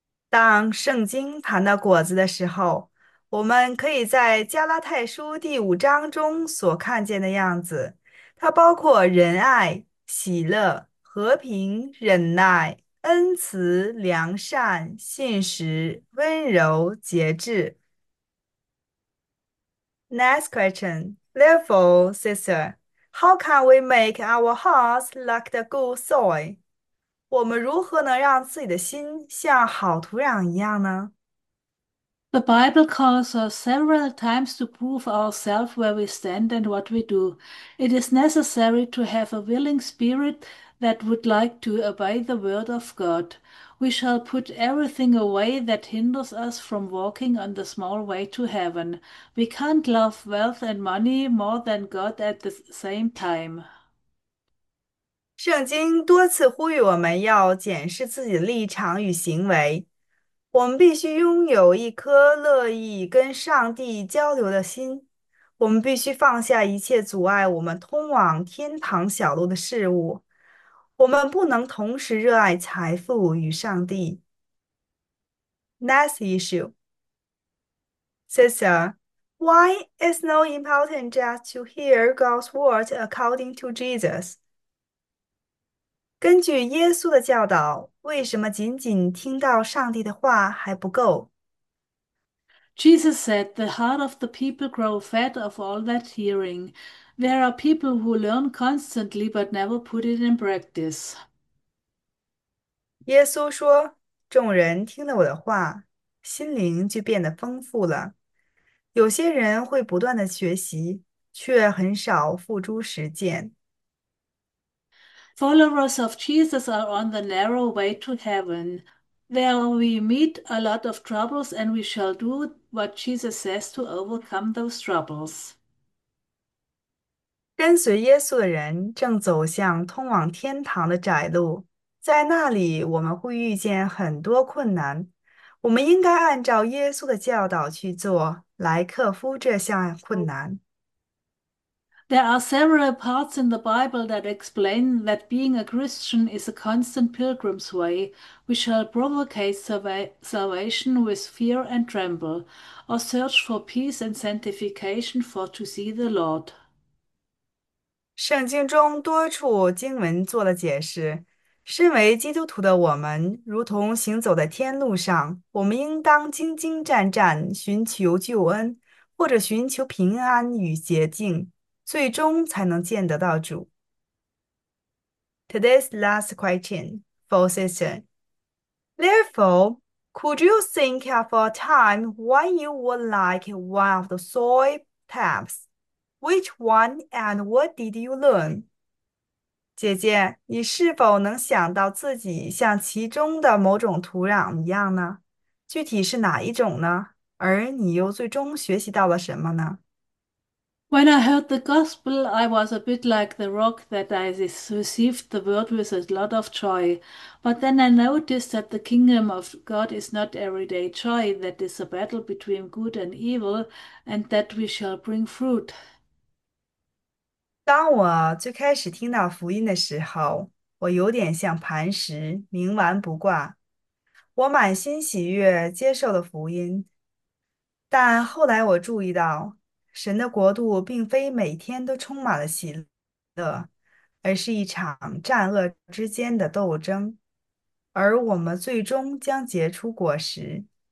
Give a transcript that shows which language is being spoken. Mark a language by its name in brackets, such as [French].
[Chinese] 当圣经谈到果子的时候，我们可以在加拉太书第五章中所看见的样子，它包括仁爱、喜乐、和平、忍耐、恩慈、良善、信实、温柔、节制。 [English] Next question. Therefore, sister, how can we make our hearts like the good soil? [Chinese] 我们如何能让自己的心像好土壤一样呢？ [English] The Bible calls us several times to prove ourselves where we stand and what we do. It is necessary to have a willing spirit that would like to obey the word of God. We shall put everything away that hinders us from walking on the small way to heaven. We can't love wealth and money more than God at the same time. [Chinese] 圣经多次呼吁我们要检视自己的立场与行为。我们必须拥有一颗乐意跟上帝交流的心。我们必须放下一切阻碍我们通往天堂小路的事物。我们不能同时热爱财富与上帝。 [English] Next issue, sister, why is no important just to hear God's word according to Jesus? [Chinese] 根据耶稣的教导，为什么仅仅听到上帝的话还不够？ [English] Jesus said, "The heart of the people grow fat of all that hearing. There are people who learn constantly but never put it in practice." [Chinese] 耶稣说：“众人听了我的话，心灵就变得丰富了。有些人会不断的学习，却很少付诸实践。” [English] Followers of Jesus are on the narrow way to heaven. There we meet a lot of troubles, and we shall do what Jesus says to overcome those troubles. [Chinese] 跟随耶稣的人正走向通往天堂的窄路，在那里我们会遇见很多困难，我们应该按照耶稣的教导去做，来克服这项困难。 [English] There are several parts in the Bible that explain that being a Christian is a constant pilgrim's way, which shall provocate salvation with fear and tremble, or search for peace and sanctification for to see the Lord. [Chinese] 圣经中多处经文做了解释，身为基督徒的我们，如同行走在天路上，我们应当兢兢战战，寻求救恩，或者寻求平安与洁净，最终才能见得到主。 [English] Today's last question, for session. Therefore, could you think of a time when you were like one of the soil paths? Which one and what did you learn? [Chinese] 姐姐，你是否能想到自己像其中的某种土壤一样呢？具体是哪一种呢？而你又最终学习到了什么呢？ [English] When I heard the gospel, I was a bit like the rock that I received the word with a lot of joy. But then I noticed that the kingdom of God is not everyday joy, that is a battle between good and evil, and that we shall bring fruit. [Chinese] 当我最开始听到福音的时候，我有点像磐石，冥顽不化。我满心喜悦接受了福音，但后来我注意到，神的国度并非每天都充满了喜乐，而是一场善恶之间的斗争，而我们最终将结出果实。